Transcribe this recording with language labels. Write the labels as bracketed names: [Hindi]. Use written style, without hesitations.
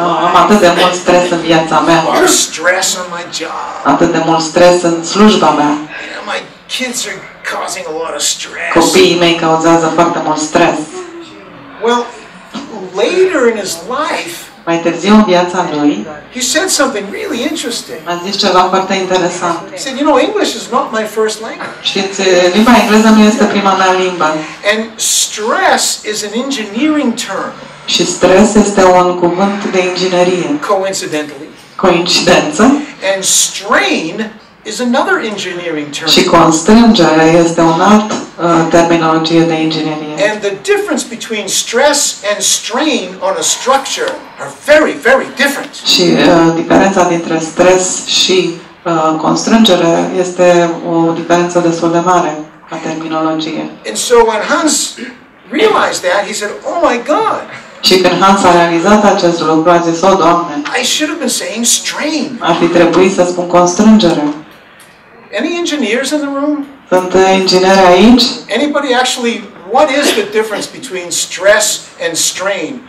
[Romanian] Am atât de mult stres în viața mea. [English] A lot of stress on my job. [Romanian] Atât de mult stres în slujba mea. [English] My kids are causing a lot of stress. [Romanian] Copiii mei cauzează foarte mult stres. [English] Well, later in his life, [Romanian] mai târziu în viața lui, [English] he said something really interesting. [Romanian] A zis ceva foarte interesant. [English] He said, you know, English is not my first language. [Romanian] Știți, limba engleză nu este prima mea limbă. [English] And stress is an engineering term. [Romanian] Și stres este un cuvânt de inginerie. [English] Coincidentally. [Romanian] Coincidență. [English] And strain is another engineering term. [Romanian] Și constrângere este un alt terminologie de inginerie. [English] And the difference between stress and strain on a structure are very, very different. [Romanian] Și diferența dintre stres și constrângere este o diferență destul de mare a terminologie. [English] And so when Hans realized that, he said, "Oh my God." [Romanian] Și când Hans a realizat acest lucru, a zis, "Oh, Doamne." [English] I should have been saying strain. [Romanian] Ar fi trebuit să spun constrângere. [English] Any engineers in the room? [Romanian] Sunt ingineri aici? [English] Anybody actually, what is the difference between stress and strain?